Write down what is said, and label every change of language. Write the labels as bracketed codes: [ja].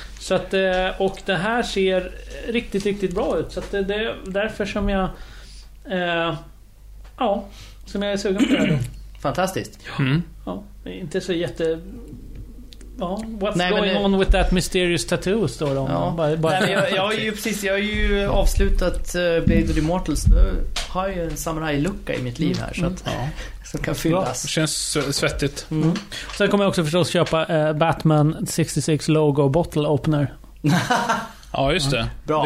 [sv] Så att, och det här ser riktigt, riktigt bra ut. Så att det är därför som jag som jag är sugen på det här då. Fantastiskt. Inte så jätte... [en] What's going on with that mysterious tattoo, [sv] står det. Jag har ju avslutat Blade of the Immortals. Nu har jag ju en samurai-lucka i mitt liv här. Så att som kan fyllas. Det känns svettigt. Mm. Sen kommer jag också förstås köpa Batman 66 logo bottle opener. Ja, just det. Bra.